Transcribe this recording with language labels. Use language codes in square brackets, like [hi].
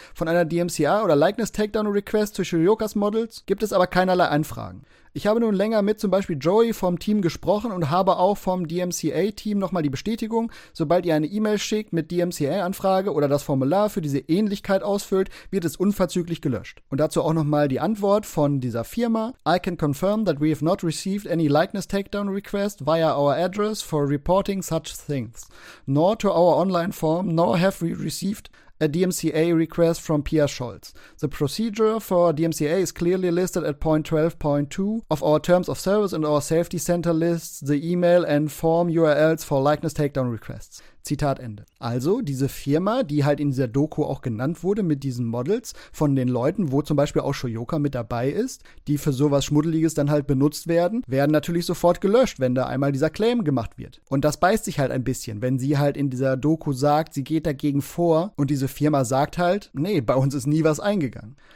[de] Von einer DMCA oder Likeness-Takedown-Request zu Shoyokas Models gibt es aber keinerlei Anfragen. Ich habe nun länger mit zum Beispiel Joey vom Team gesprochen und habe auch vom DMCA-Team nochmal die Bestätigung, sobald ihr eine E-Mail schickt mit DMCA-Anfrage oder das Formular für diese Ähnlichkeit ausfüllt, wird es unverzüglich gelöscht. Und dazu auch nochmal die Antwort von dieser Firma. [en] I can confirm that we have not received any likeness takedown request via our address for reporting such things, nor to our online form, nor have we received a DMCA request from Pierre Scholz. The procedure for DMCA is clearly listed at point 12.2 of our terms of service and our safety center lists, the email and form URLs for likeness takedown requests. [de] Zitat Ende. Also, diese Firma, die halt in dieser Doku auch genannt wurde mit diesen Models, von den Leuten, wo zum Beispiel auch Shoyoka mit dabei ist, die für sowas Schmuddeliges dann halt benutzt werden, werden natürlich sofort gelöscht, wenn da einmal dieser Claim gemacht wird. Und das beißt sich halt ein bisschen, wenn sie halt in dieser Doku sagt, sie geht dagegen vor und diese Firma sagt halt, nee, bei uns ist nie was eingegangen.